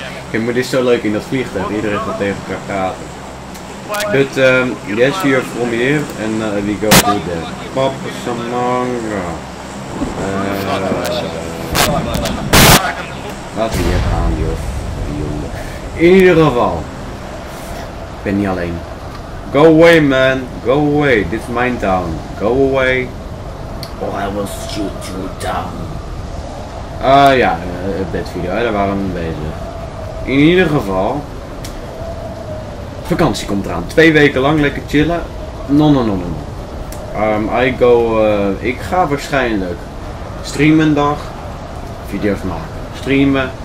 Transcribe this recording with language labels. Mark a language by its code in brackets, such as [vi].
[nl] Kijk, maar dit is zo leuk in dat vliegtuig. Iedereen gaat tegen elkaar praten. [en] But yes, we are from here and we go to the Papa Samanga. [nl] Laten we hier gaan, joh. In ieder geval, ik ben niet alleen. [en] Go away man, go away, this is mijn town. Go away. Oh, I will shoot you down. [nl] Update video, daar waren we bezig. In ieder geval, vakantie komt eraan. 2 weken lang, lekker chillen. No. Ik ga waarschijnlijk streamen dag, video's maken. Streamen.